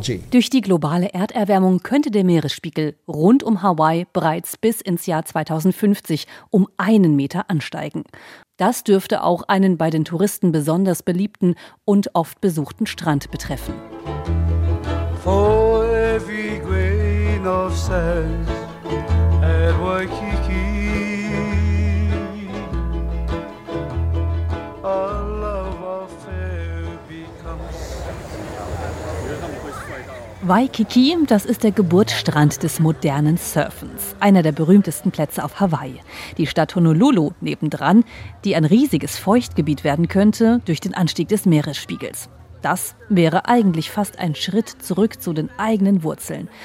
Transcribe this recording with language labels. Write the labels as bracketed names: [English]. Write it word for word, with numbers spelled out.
[German] Durch die globale Erderwärmung könnte der Meeresspiegel rund um Hawaii bereits bis ins Jahr zweitausendfünfzig um einen Meter ansteigen. Das dürfte auch einen bei den Touristen besonders beliebten und oft besuchten Strand betreffen. [English] For every grain of sand at Waikiki, our love affair becomes... [German] Waikiki, das ist der Geburtsstrand des modernen Surfens, einer der berühmtesten Plätze auf Hawaii. Die Stadt Honolulu nebendran, die ein riesiges Feuchtgebiet werden könnte durch den Anstieg des Meeresspiegels. Das wäre eigentlich fast ein Schritt zurück zu den eigenen Wurzeln.